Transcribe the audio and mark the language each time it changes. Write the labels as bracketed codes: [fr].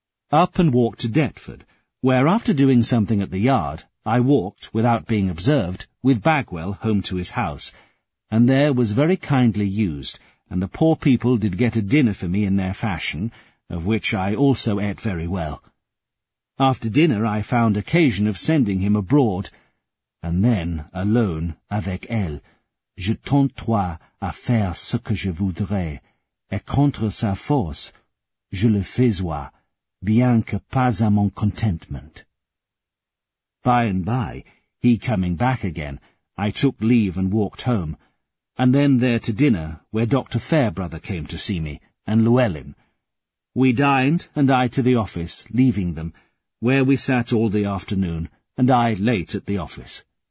[en] Up and walked to Deptford, where, after doing something at the yard, I walked, without being observed, with Bagwell home to his house, and there was very kindly used, and the poor people did get a dinner for me in their fashion, of which I also ate very well. After dinner I found occasion of sending him abroad, and then, alone, [fr] avec elle, je tente toi à faire ce que je voudrais, et contre sa force, je le faisois, bien que pas à mon contentement. [en] By and by, he coming back again, I took leave and walked home, and then there to dinner, where Dr. Fairbrother came to see me, and Llewellyn. We dined, and I to the office, leaving them, where we sat all the afternoon, and I late at the office.